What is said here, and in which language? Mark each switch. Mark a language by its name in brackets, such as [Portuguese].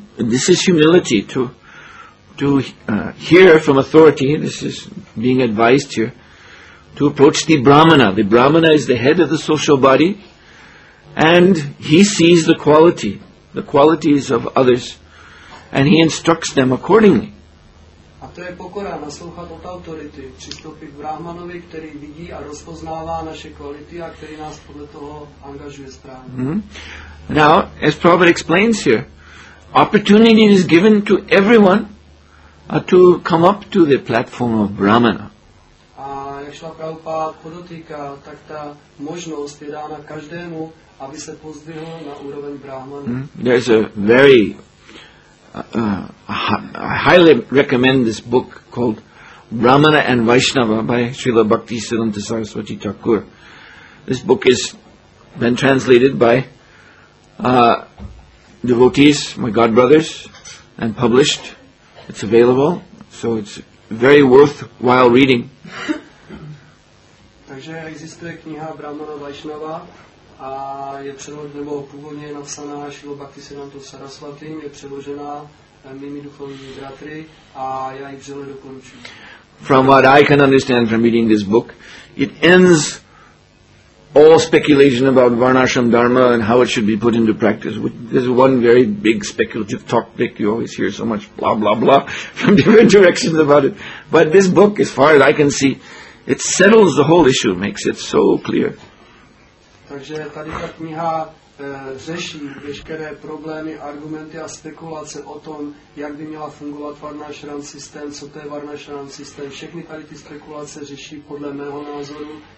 [English] This is humility to hear from authority, this is being advised here, to approach the Brahmana. The Brahmana is the head of the social body and he sees the qualities of others and he instructs them accordingly. [Czech] A to je pokora, naslouchat od autority, přistoupit k Brahmanovi, který vidí a rozpoznává naše kvality a který nás podle toho angažuje správně. Mm-hmm. [English] Now, as Prabhupada explains here, opportunity is given to everyone to come up to the platform of Brahmana. [Czech] A jak šla Prabhupada podotýká, tak ta možnost je dána každému, aby se pozdvihl na úroveň Brahmana. Mm-hmm. [English] There's a very I highly recommend this book called Brahmana and Vaishnava by Srila Bhakti Siddhanta Saraswati Thakur. This book has been translated by devotees, my god brothers, and published. It's available, so it's very worthwhile reading. [Czech] Takže existuje kniha Brahmana Vaishnava a je předložena, nebo původně napsaná Šilo Bhaktisiddhanta Sarasvati, je předložena mými duchovními bratry a já ji vřele dokončuji. [English] From what I can understand from reading this book, it ends all speculation about Varnashram Dharma and how it should be put into practice. There's one very big speculative topic. You always hear so much blah, blah, blah from different directions about it. But this book, as far as I can see, it settles the whole issue, makes it so clear. [Czech] Takže tady ta kniha řeší veškeré problémy, argumenty a spekulace o tom, jak by měla fungovat Varnashram systém, co to je Varnashram systém. Všechny tady ty spekulace řeší podle mého názoru